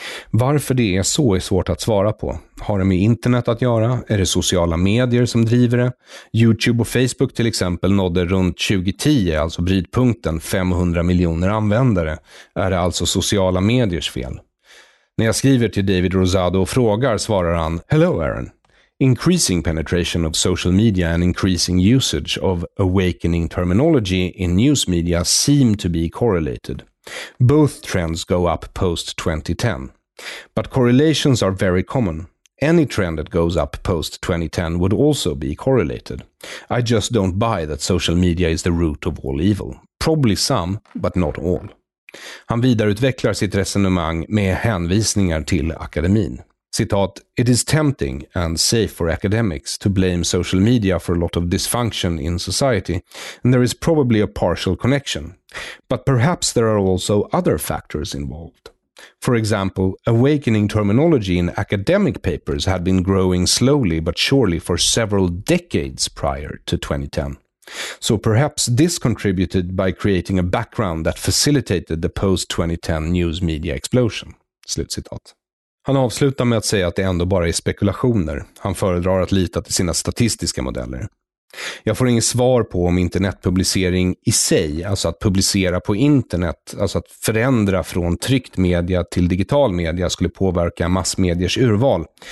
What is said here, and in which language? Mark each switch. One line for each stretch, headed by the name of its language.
Swedish: Varför det är så är svårt att svara på. Har det med internet att göra? Är det sociala medier som driver det? YouTube och Facebook till exempel nådde runt 2010, alltså brytpunkten, 500 miljoner användare. Är det alltså sociala mediers fel? När jag skriver till David Rosado och frågar svarar han:
English: "Hello Aaron. Increasing penetration of social media and increasing usage of awakening terminology in news media seem to be correlated. Both trends go up post 2010. But correlations are very common. Any trend that goes up post 2010 would also be correlated. I just don't buy that social media is the root of all evil. Probably some, but not all."
Swedish: Han vidareutvecklar sitt resonemang med hänvisningar till akademin.
English: Citat: "It is tempting and safe for academics to blame social media for a lot of dysfunction in society, and there is probably a partial connection. But perhaps there are also other factors involved. For example, awakening terminology in academic papers had been growing slowly but surely for several decades prior to 2010. So perhaps this contributed by creating a background that facilitated the post-2010 news media explosion."
Swedish: Slut citat. Han avslutar med att säga att det ändå bara är spekulationer. Han föredrar att lita till sina statistiska modeller. Jag får inget svar på om internetpublicering i sig, alltså att publicera på internet, alltså att förändra från tryckt media till digital media, skulle påverka massmediers urval.